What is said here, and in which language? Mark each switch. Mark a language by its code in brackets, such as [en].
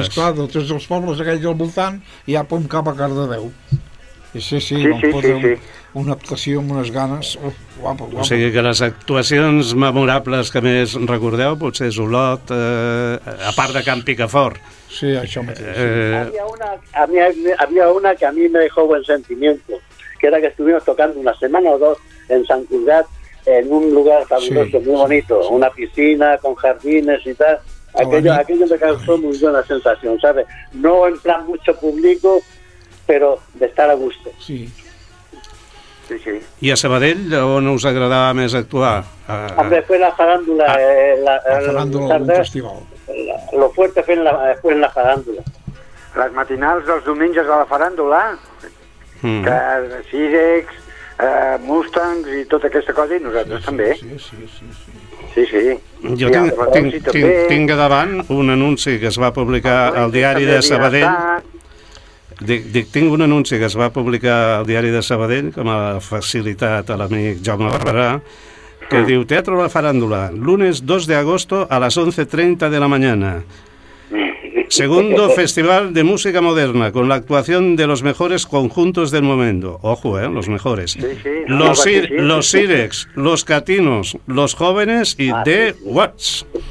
[ca] I esclar, de tots els pobles aquells al voltant, hi ha pom cap a Cardedeu. Sí, vam posar una actuació amb unes ganes. Guapa. O sigui que les actuacions memorables que més recordeu potser és Olot, a part de Can Picafort. Sí, això mateix. [es] Había una que a mí me dejó buen sentimiento, que era que estuvimos tocando una semana o dos en Sant Cugat, en un lugar fabuloso, muy bonito, una piscina con jardines y tal. Aquello me causó muy buena sensación, ¿sabes? No en plan mucho público, pero de estar a gusto. Sí. Sí. [ca] I a Sabadell, on us agradava més actuar? [es] Hombre, fue la faràndula. [ca] La faràndula d'un festival. [es] Lo fuerte fue en la faràndula. [ca] Les matinals dels diumenges a la faràndula, que Sirex, Mustangs i tota aquesta cosa, i nosaltres també. Sí. Jo tinc davant un anunci que es va publicar al diari de Sabadell. Dic, tinc un anunci que es va publicar al Diari de Sabadell, que m'ha facilitat l'amic Jaume Barberà, que sí. Diu [es] Teatro La Faràndula, lunes 2 de agosto a las 11:30 de la mañana. Segundo festival de música moderna, con la actuación de los mejores conjuntos del momento. Ojo, los mejores. Sí, no, los sí, Irex, sí. Los Catinos, Los Jóvenes y The Watts.